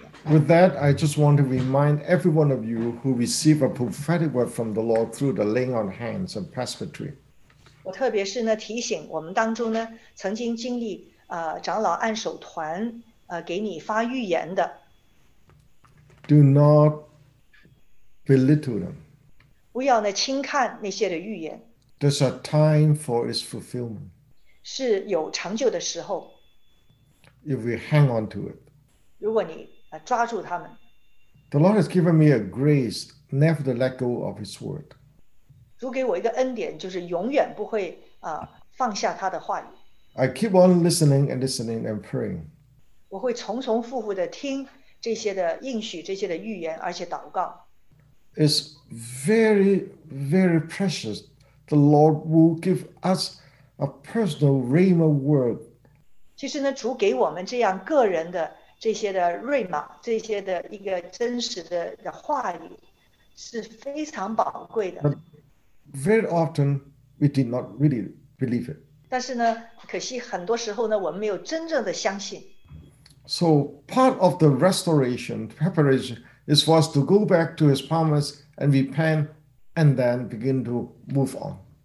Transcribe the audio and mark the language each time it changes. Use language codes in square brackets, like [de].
[en] With that, I just want to remind every one of you who receive a prophetic word from the Lord through the laying on hands and presbytery. [zh] 我特别是呢提醒我们当中呢曾经经历 长老按手团 给你发预言的 [en] Do not belittle them. [zh] 不要呢轻看那些的预言 [en] There's a time for its fulfillment. [zh] 是有成就的时候 [en] If we hang on to it. [zh] 如果你 抓住他们 [en] The Lord has given me a grace never to let go of his word. [zh] 主给我一个恩典 就是永远不会 放下他的话语 [en] I keep on listening and listening and praying. [zh] 我会重重复复地听这些的应许，这些的预言，而且祷告。 [en] is very, very precious. The Lord will give us a personal rhema word. [zh] 其实呢，主给我们这样个人的这些的rhema，这些的一个真实的话语，是非常宝贵的。 [en] Very often we did not really believe it. [zh] 但是呢，可惜很多时候呢，我们没有真正的相信。 [en] So part of the restoration preparation is for us to go back to His promise and repent, and then begin to move on.